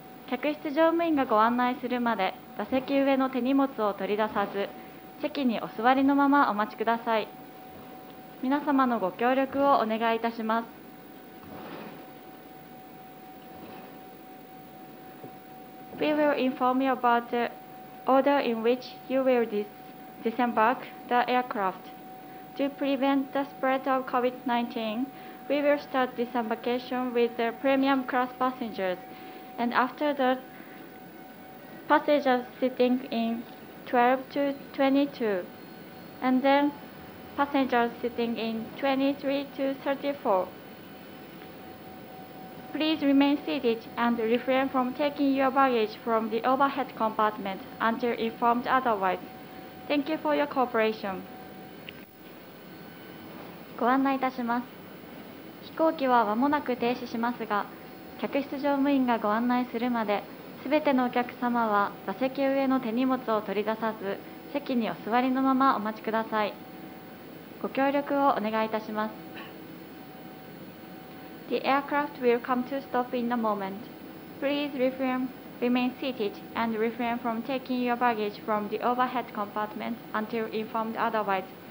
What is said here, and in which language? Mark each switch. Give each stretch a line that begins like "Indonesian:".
Japanese: 客室乗務員がご案内するまで座席上の手荷物を取り出さず席にお座りのままお待ちください。皆様のご協力をお願いいたします。
English: We will inform you about the order in which you will disembark the aircraft. To prevent the spread of COVID-19, we will start disembarkation with the premium class passengers. And after that, passengers sitting in 12 to 22, and then passengers sitting in 23 to 34. Please remain seated and refrain from taking your baggage from the overhead compartment until informed otherwise. Thank you for your cooperation.
Japanese: ご案内いたします。飛行機は間もなく停止しますが、客室乗務員がご案内するまで、すべてのお客様は座席上の手荷物を取り出さず、席にお座りのままお待ちください。ご協力をお願いいたします。
English: The aircraft will come to stop in a moment. Please remain seated and refrain from taking your baggage from the overhead compartment until informed otherwise.